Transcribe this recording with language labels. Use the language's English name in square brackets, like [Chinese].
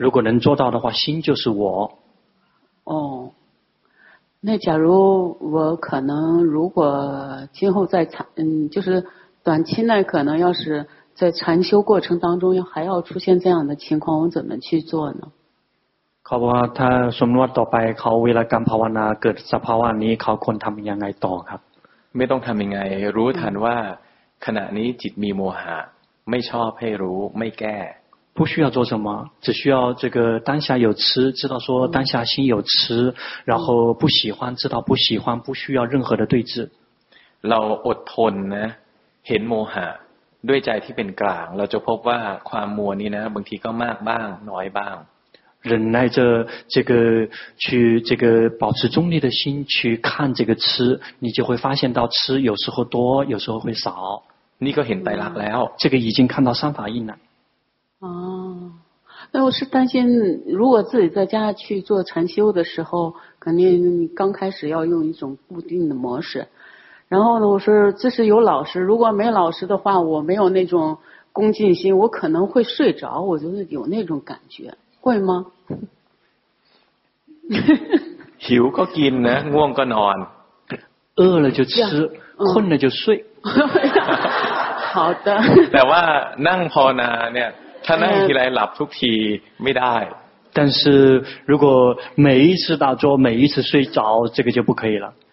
[Chinese] 如果能做到的话心就是我哦那假如我可能如果今后在禅就是短期内可能要是在禅修过程当中还要出现这样的情况我怎么去做呢 [Thai] เขาบอกว่าถ้าสมมติว่าต่อไปเขาเวลาการภาวนาเกิดสภาวะนี้เขาควรทำยังไงต่อครับ ไม่ต้องทำยังไงรู้ทันว่าขณะนี้จิตมีโมหะไม่ชอบให้รู้ไม่แก้ [Chinese] 不需要做什么只需要这个当下有痴知道说当下心有痴然后不喜欢知道不喜欢不需要任何的对治 [Thai] เราอดทนนะเห็นโมหะด้วยใจที่เป็นกลางเราจะพบว่าความมัวนี้นะบางทีก็มากบ้างน้อยบ้าง [Chinese] 忍耐着这个去这个保持中立的心去看这个痴你就会发现到痴有时候多有时候会少 [Thai] นี่ก็เห็นไตรลักษณ์แล้ว [Chinese] 这个已经看到三法印了哦那我是担心如果自己在家去做禅修的时候肯定刚开始要用一种固定的模式然后呢我说这是有老师如果没老师的话我没有那种恭敬心我可能会睡着我就是有那种感觉会吗 [Thai] หิวก็กินนะง่วงก็นอน [Chinese] 饿了就吃、嗯、困了就睡好的 [Thai] แต่ว่านั่งภาวนาเนี่ยถ้านั่งทีไรหลับทุกทีไม่ได้ [Chinese] 但是如果每一次打坐每一次睡着这个就不可以了